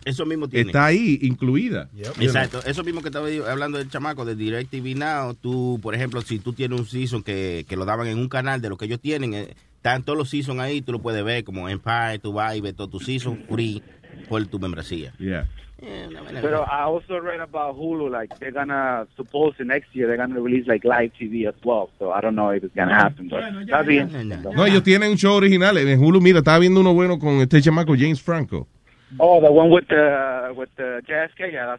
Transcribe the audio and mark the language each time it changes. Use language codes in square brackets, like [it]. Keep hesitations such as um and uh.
[es] Eso mismo tiene. Está ahí, [en] incluida. Yep. You know? Exacto. [es] Eso mismo que estaba hablando del chamaco de DirecTV Now. Tú, por ejemplo, si tú tienes un season que, que lo daban en un canal de lo que ellos tienen están los seasons ahí, tú lo puedes ver como Empire, tú vas y ves todos tus free por tu membresía. [en] Yeah. [es] Pero yeah. [en] I also read about Hulu, like they're gonna, suppose the next year, they're gonna release like live TV as well. So I don't know if it's gonna yeah. happen. But [es] bueno, ya ya ya no, no, ellos tienen un show original en Hulu. Mira, estaba viendo uno bueno con este chamaco James Franco. [en] Oh, the one with the, with the JFK, yeah.